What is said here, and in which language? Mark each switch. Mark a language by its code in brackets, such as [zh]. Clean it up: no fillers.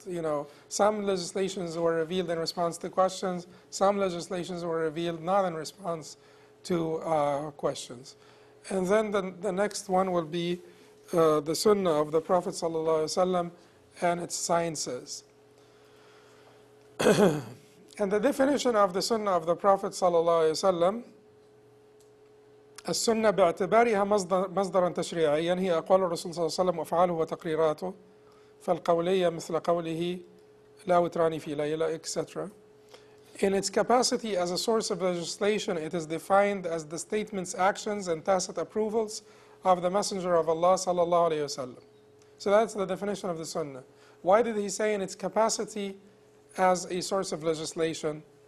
[en] You know, some legislations were revealed in response to questions, some legislations were revealed not in response to questions. And then the next one will be the Sunnah of the Prophet Sallallahu Alaihi Wasallam and its sciences. And the definition of the Sunnah of the Prophet Sallallahu Alaihi Wasallam, [ar] السنه باعتبارها مصدرا تشريعيا هي اقوال الرسول صلى الله عليه وسلم وافعاله وتقريراته فالقوليه مثل قوله لا وتراني في ليله etc. [en] In its capacity as a source of legislation, it is defined as the statements, actions and tacit approvals of the messenger of Allah صلى الله عليه وسلم. So that's the definition of the sunnah. Why did he say in its capacity as a source of legislation?